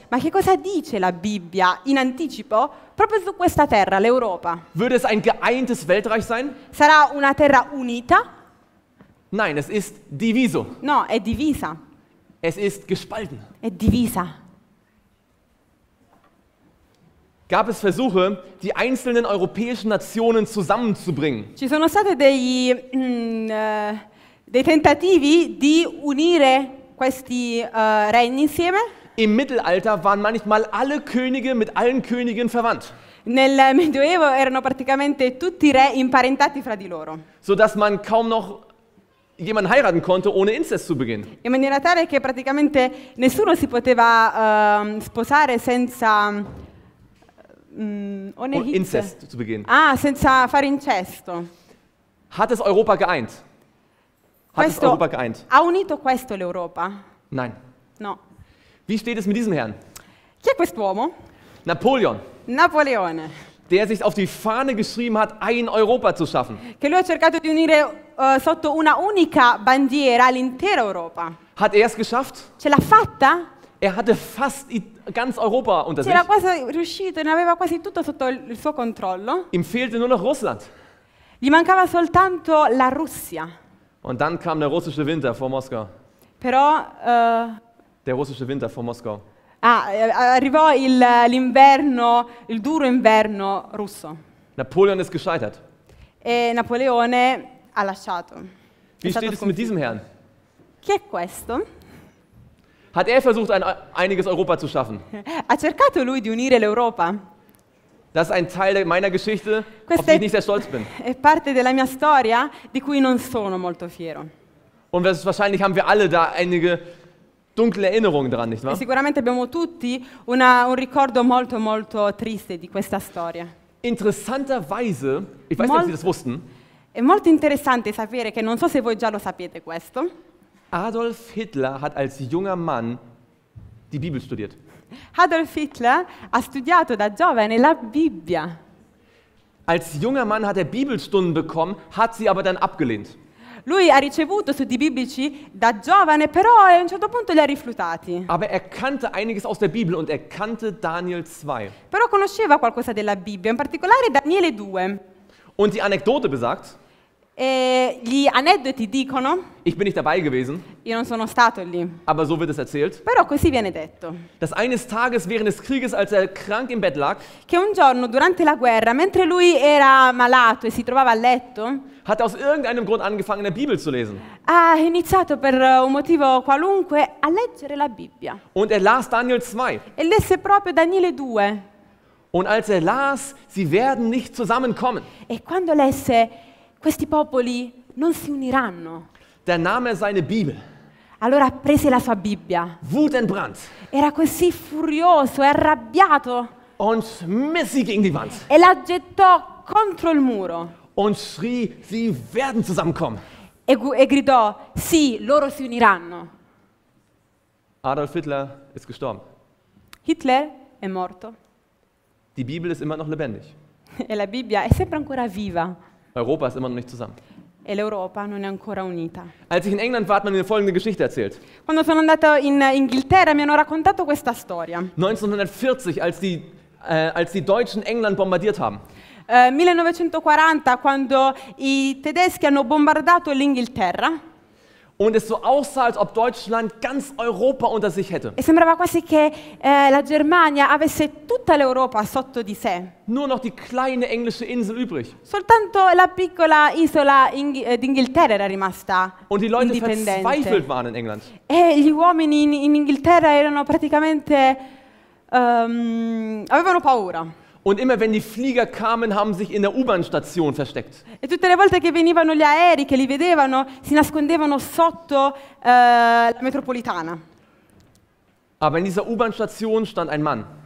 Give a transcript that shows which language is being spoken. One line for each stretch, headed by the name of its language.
Italian: Ma che cosa dice la Bibbia in anticipo proprio su questa terra, l'Europa?
German: Würde es ein geeintes Weltreich sein?
Italian: Sarà una terra unita?
German: Nein, es ist
Italian: diviso. No, è divisa.
German: Es ist gespalten.
Italian: È divisa.
German: Gab es Versuche, die einzelnen europäischen Nationen zusammenzubringen?
Italian: Ci sono state dei dei tentativi di unire questi regni insieme?
German: Im Mittelalter waren manchmal alle Könige mit allen Königen verwandt.
Italian: Nel Medioevo erano praticamente tutti i re imparentati fra di loro.
German: So dass man kaum noch jemanden heiraten konnte, ohne Inzest zu beginnen.
Italian: In maniera tale che praticamente nessuno si poteva sposare senza
German: Inzest zu beginnen.
Italian: Ah, senza fare incesto.
German: Hat es Europa geeint?
Italian: Ha unito questo l'Europa?
German: Nein.
Italian: No.
German: Wie steht es mit diesem Herrn?
Italian: Chi è quest'uomo?
German: Napoleon.
Italian: Napoleone.
German: Der sich auf die Fahne geschrieben hat, ein Europa zu schaffen.
Italian: Che lui ha cercato di unire sotto una unica bandiera l'intera Europa.
German: Hat er es geschafft?
Italian: Ce l'ha fatta?
German: Er hatte fast ganz Europa unter sich.
Italian: C'era quasi riuscito, ne aveva quasi tutto sotto il suo controllo.
German: Ihm fehlte nur noch Russland.
Italian: Gli mancava soltanto la Russia.
German: Und dann kam der russische Winter vor Moskau.
Italian: Però
German: der russische Winter vor Moskau.
Italian: Ah, arrivò l'inverno, il duro inverno russo.
German: Napoleon ist gescheitert.
Italian: E Napoleone ha lasciato.
German: Wie steht es mit diesem Herrn?
Italian: Chi è questo?
German: Hat er versucht einiges Europa zu schaffen?
Italian: Ha cercato lui di unire l'Europa?
German: Das ist ein Teil meiner Geschichte, auf die ich nicht sehr stolz bin.
Italian: È parte della mia storia di cui non sono molto fiero.
German: Und wahrscheinlich haben wir alle da einige dunkle Erinnerungen dran, nicht wahr?
Italian: Sicuramente abbiamo tutti un ricordo molto molto triste di questa storia.
German: Interessanterweise, ich weiß nicht, ob Sie das wussten.
Italian: È molto interessante sapere che non so se voi già lo sapete questo.
German: Adolf Hitler hat als junger Mann die Bibel studiert.
Italian: Adolf Hitler ha studiato da giovane la Bibbia.
German: Als junger Mann hat er Bibelstunden bekommen, hat sie aber dann abgelehnt.
Italian: Lui ha ricevuto studi biblici da giovane, però a un certo punto li ha rifiutati.
German: Aber er kannte einiges aus der Bibel und er kannte Daniel 2.
Italian: Però conosceva qualcosa della Bibbia, in particolare Daniele 2.
German: Und die Anekdote besagt?
Italian: Gli aneddoti dicono.
German: Ich bin nicht dabei gewesen.
Italian: Io non sono stato lì.
German: Aber so wird es erzählt.
Italian: Però così viene detto.
German: Dass eines Tages während des Krieges, als er krank im Bett lag.
Italian: Che un giorno durante la guerra, mentre lui era malato e si trovava a letto.
German: Hat aus irgendeinem Grund angefangen, la Bibel zu lesen.
Italian: Ha iniziato per un motivo qualunque a leggere la Bibbia.
German: Und er las Daniel 2.
Italian: E lesse proprio Daniele 2.
German: Und als er las, sie werden nicht zusammenkommen.
Italian: E quando lesse questi popoli non si uniranno.
German: Da nahm er seine Bibel.
Italian: Allora prese la sua Bibbia.
German: Wut entbrannt.
Italian: Era così furioso, arrabbiato.
German: Und schmiss sie gegen die Wand.
Italian: E la gettò contro il muro.
German: Und schrie, sie werden zusammenkommen.
Italian: E gridò, sì, loro si uniranno.
German: Adolf Hitler ist gestorben.
Italian: Hitler è morto.
German: Die Bibel ist immer noch lebendig.
Italian: E la Bibbia è sempre ancora viva.
German: Europa ist immer noch nicht zusammen.
Italian: E l'Europa non è ancora unita.
German: Als ich in England war, hat man mir folgende Geschichte erzählt.
Italian: Quando sono andato in Inghilterra mi hanno raccontato questa storia.
German: 1940, als die Deutschen England bombardiert haben.
Italian: 1940, quando i tedeschi hanno bombardato l'Inghilterra.
German: Und es so aussah, als ob Deutschland ganz Europa unter sich hätte.
Italian: E sembrava quasi che la Germania avesse tutta l'Europa sotto di sé.
German: Nur noch die kleine englische Insel übrig.
Italian: Soltanto la piccola isola d'Inghilterra era rimasta indipendente.
German: Und die Leute verzweifelt waren in England.
Italian: E gli uomini in Inghilterra erano praticamente avevano paura.
German: Und immer wenn die Flieger kamen, haben sich in der U-Bahn-Station versteckt.
Italian: E tutte le volte che venivano gli aerei, che li vedevano, si nascondevano sotto la metropolitana.
German: Aber in dieser U-Bahn-Station stand ein Mann.